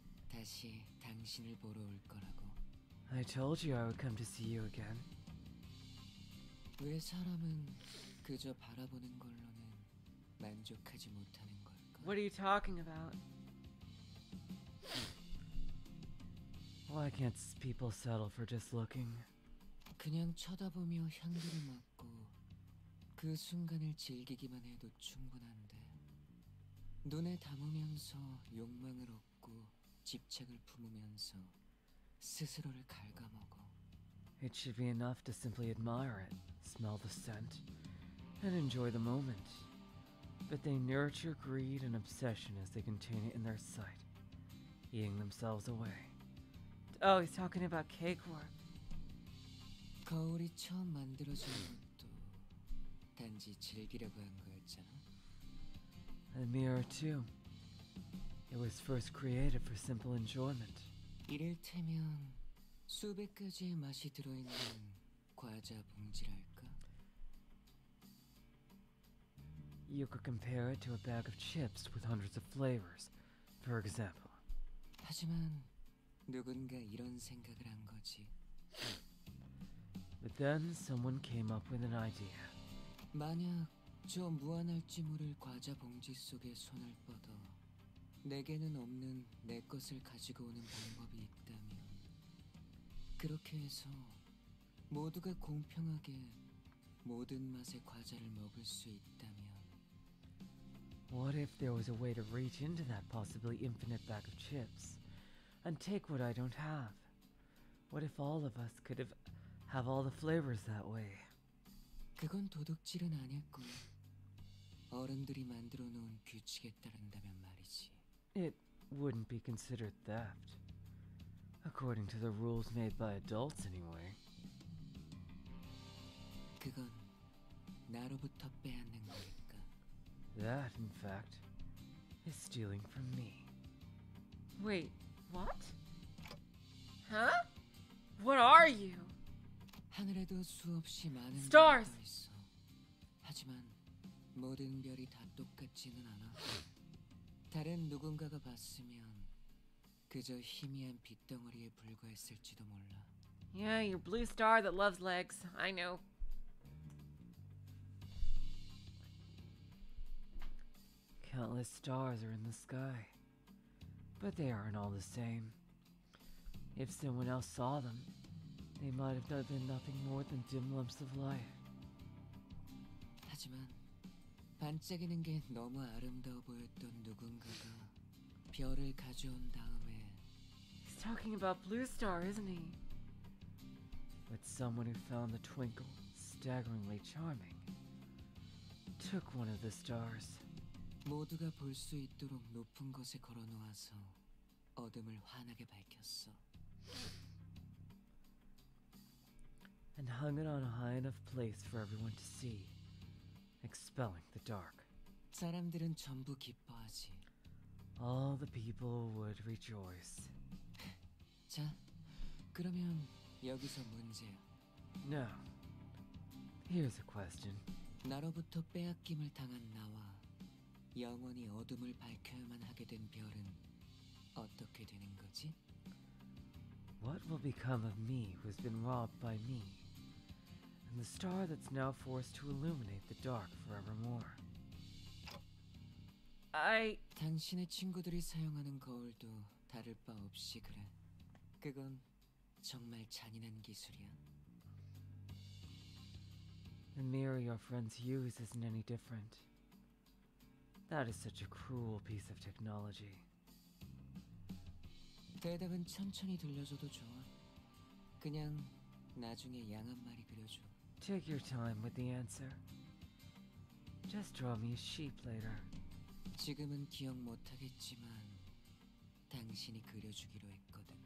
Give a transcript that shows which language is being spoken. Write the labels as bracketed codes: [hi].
[ko] 다시 당신을 보러 올 거라고. [en] I told you I would come to see you again. [ko] 왜 사람은 그저 바라보는 걸로는 만족하지 못하는 걸까? [en] What are you talking about? Why can't people settle for just looking? [ko] 그냥 쳐다보며 향기를 맡고 그 순간을 즐기기만 해도 충분한데. 눈에 담으면서 욕망을 얻고 집착을 품으면서 스스로를 갉아먹어. [en] It should be enough to simply admire it, smell the scent, and enjoy the moment. But they nurture greed and obsession as they contain it in their sight, eating themselves away. Oh, he's talking about cake work. [ko] 거울이 처음 만들어진 것도 단지 즐기려고 한 거였잖아. [en] The mirror, too. It was first created for simple enjoyment. [ko] 이를테면 수백 가지의 맛이 들어있는 과자 봉지랄까? [en] You could compare it to a bag of chips with hundreds of flavors, for example. [ko] 하지만 누군가 이런 생각을 한 거지. [en] But then someone came up with an idea. [ko] 만약 저 무한할지 모를 과자 봉지 속에 손을 뻗어 내게는 없는 내 것을 가지고 오는 방법이 있다면 그렇게 해서 모두가 공평하게 모든 맛의 과자를 먹을 수 있다면 [en] What if there was a way to reach into that possibly infinite bag of chips and take what I don't have? What if all of us could have all the flavors that way? [ko] 그건 도둑질은 아니었군. 어른들이 만들어 놓은 규칙에 따른다면 말이지. [en] It wouldn't be considered theft. According to the rules made by adults anyway. [ko] 그건 나로부터 빼앗는 거니까. [en] That, in fact, is stealing from me. Wait, what? Huh? What are you? [ko] 하늘에도 수없이 많은 [en] stars. [ko] 있어. 하지만 모든 별이 다 똑같지는 않아. 다른 누군가가 봤으면 그저 희미한 빛덩어리에 불과했을지도 몰라. [en] Yeah, your blue star that loves legs. I know. Countless stars are in the sky. But they aren't all the same. If someone else saw them, they might have been nothing more than dim lumps of light. [ko] 하지만 반짝이는 게 너무 아름다워 보였던 누군가가 별을 가져온 다음에 [en] He's talking about Blue Star, isn't he? With someone who found the twinkle staggeringly charming. took one of the stars. [ko] 모두가 볼 수 있도록 높은 곳에 걸어놓아서 어둠을 환하게 밝혔어. [en] And hung it on a high enough place for everyone to see, expelling the dark. [ko] 사람들은 전부 기뻐하지. [en] All the people would rejoice. [ko] 자, 그러면 여기서 문제야. [en] Now, here's a question. [ko] 나로부터 빼앗김을 당한 나와 영원히 어둠을 밝혀야만 하게 된 별은 어떻게 되는 거지? [en] What will become of me who's been robbed by me? And the star that's now forced to illuminate the dark forevermore? I... [ko] 당신의 친구들이 사용하는 거울도 다를 바 없이 그래. 그건 정말 잔인한 기술이야. [en] The mirror your friends use isn't any different. That is such a cruel piece of technology. [ko] 대답은 천천히 들려줘도 좋아. 그냥 나중에 양한 마리 그려줘. [en] Take your time with the answer. Just draw me a sheep later. [ko] 지금은 기억 못하겠지만 당신이 그려주기로 했거든.